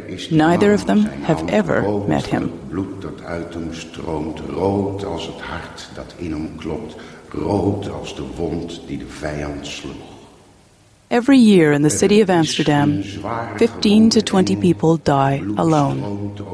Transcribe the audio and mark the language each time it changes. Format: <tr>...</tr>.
<en>Neither of them have ever met him.</en> <nl>Bloed dat uit hem stroomt, rood als het hart dat in hem klopt, rood als de wond die de vijand sloeg.</nl> <en>Every year in the city of Amsterdam, 15 to 20 people die alone.</en>